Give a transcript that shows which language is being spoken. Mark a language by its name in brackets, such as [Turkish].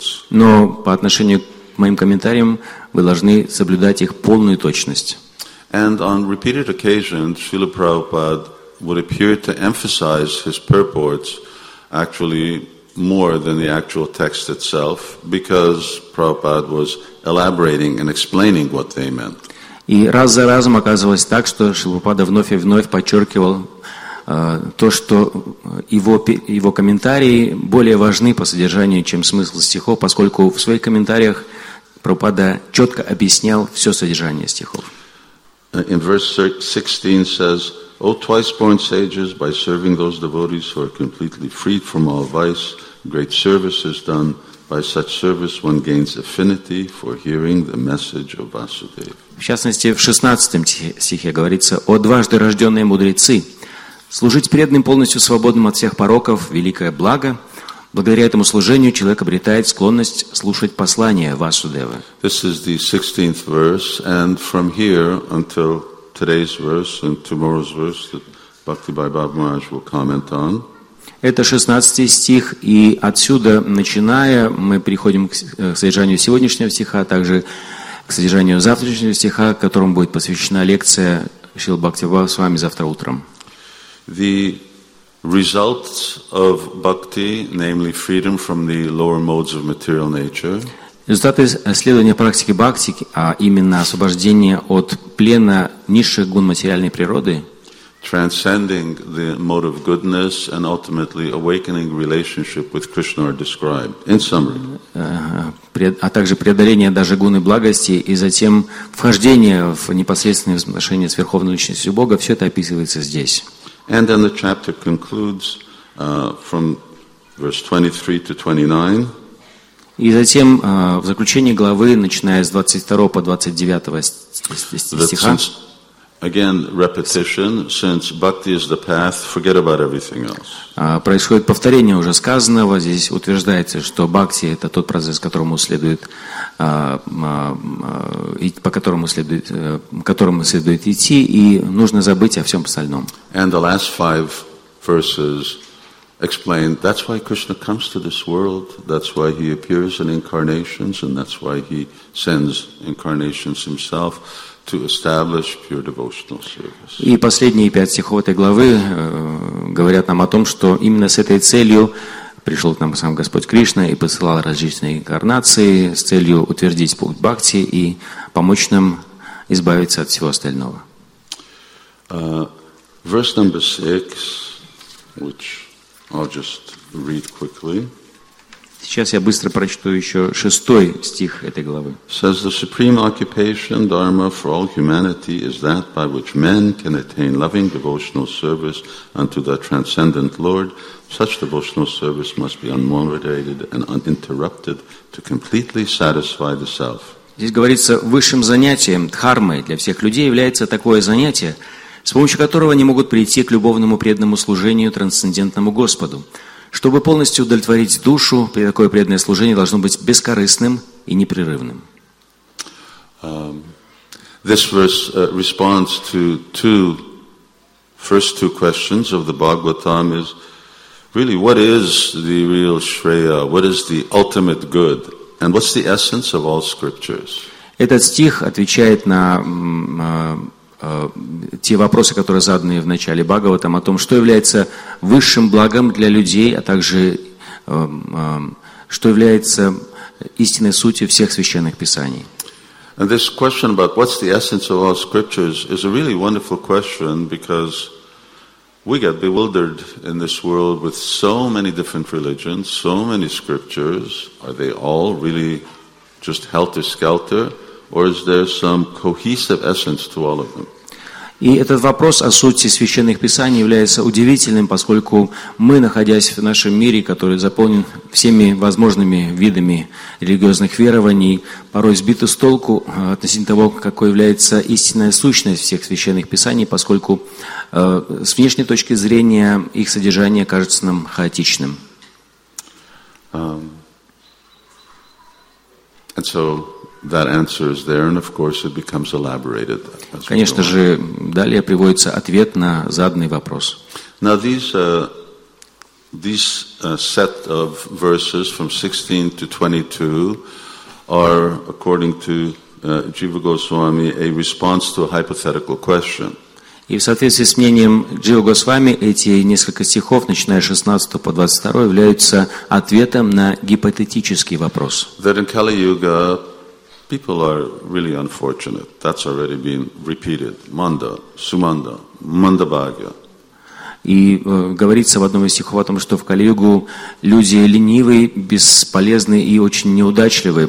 [Russian] Но по отношению к моим комментариям, вы должны соблюдать их полную точность. [English] And on repeated occasions, Srila Prabhupada would appear to emphasize his purports actually more than the actual text itself, because Prabhupada was elaborating and explaining what they meant. [Russian] И раз за разом оказывалось так, что Шрила Прабхупада вновь и вновь подчеркивал то, что его комментарии более важны по содержанию, чем смысл стихов, поскольку в своих комментариях Прабхупада четко объяснял все содержание стихов. [English] In verse 16 says, O twice-born sages, by serving those devotees who are completely freed from all vice, great service is done. By such service one gains affinity for hearing the message of Vasudeva. [Russian] В частности, в 16 стихе говорится, «О дважды рожденные мудрецы, служить преданным полностью свободным от всех пороков – великое благо. Благодаря этому служению человек обретает склонность слушать послание Васудевы». [English] This is the 16th verse, and from here until today's verse and tomorrow's verse that Bhaktibhai Bhav Maharaj will comment on. [Russian] Это 16 стих, и отсюда, начиная, мы переходим к содержанию сегодняшнего стиха, а также к содержанию завтрашнего стиха, которому будет посвящена лекция Шрилы Бхактивинода с вами завтра утром. [English] The results of bhakti, namely freedom from the lower modes of material nature. [Russian] Результаты исследования практики бхакти, а именно освобождение от плена низших гун материальной природы. [English] Transcending the mode of goodness and ultimately awakening relationship with Krishna are described. In summary. [Russian] А также преодоление даже гуны благости и затем вхождение в непосредственные отношения с Верховной Личностью Бога, все это описывается здесь. [English] And then the chapter concludes from verse 23 to 29. [Russian] И затем в заключении главы, начиная с 22 по 29 стиха, [English] Again, repetition, since bhakti is the path, forget about everything else. [Russian] Происходит повторение уже сказанного. Здесь утверждается, что бхакти – это тот процесс, которому следует идти, и нужно забыть о всем остальном. [English] And the last five verses explain, that's why Krishna comes to this world, that's why he appears in incarnations, and that's why he sends incarnations himself. To establish pure devotional service. [Russian] И последние пять стихов этой главы говорят нам о том, что именно с этой целью пришел к нам сам Господь Кришна и посылал различные инкарнации с целью утвердить путь бхакти и помочь нам избавиться от всего остального. [English] Verse number 6, which I'll just read quickly. [Russian] Сейчас я быстро прочту еще шестой стих этой главы. [English] Says the supreme occupation dharma for all humanity is that by which men can attain loving devotional service unto the transcendent Lord. Such devotional service must be unmoderated and uninterrupted to completely satisfy the self. [Russian] Здесь говорится, высшим занятием дхармой для всех людей является такое занятие, с помощью которого они могут прийти к любовному преданному служению трансцендентному Господу. Чтобы полностью удовлетворить душу, такое преданное служение должно быть бескорыстным и непрерывным. [English] This verse responds to two first two questions of the Bhagavatam is really what is the real Shreya, what is the ultimate good, and what's the essence of all scriptures? [Russian] Этот стих отвечает на те вопросы, которые заданы в начале Бхагаватам, о том, что является высшим благом для людей, а также что является истинной сутью всех священных писаний. [English] And this question about what's the essence of all scriptures is a really wonderful question because we get bewildered in this world with so many different religions, so many scriptures. Are they all really just helter-skelter? Or is there some cohesive essence to all of them? [Russian] И этот вопрос о сути священных писаний является удивительным, поскольку мы, находясь в нашем мире, который заполнен всеми возможными видами религиозных верований, порой сбиты с толку относительно того, какой является истинная сущность всех священных писаний, поскольку с внешней точки зрения их содержание кажется нам хаотичным. [English] And so that answer is there, and of course it becomes elaborated. [Russian] Конечно же, далее приводится ответ на заданный вопрос. [English] Now these set of verses from 16 to 22 are, according to Jiva Goswami, a response to a hypothetical question. [Russian] И в соответствии с мнением Джива Госвами, эти несколько стихов, начиная с 16 по 22, являются ответом на гипотетический вопрос. [English] That in Kali-Yuga people are really unfortunate. That's already been repeated. Manda, Sumanda, Mandabhagya. [Russian] И говорится в одном из стихов о том, что в Кали-Югу люди ленивые, бесполезные и очень неудачливые.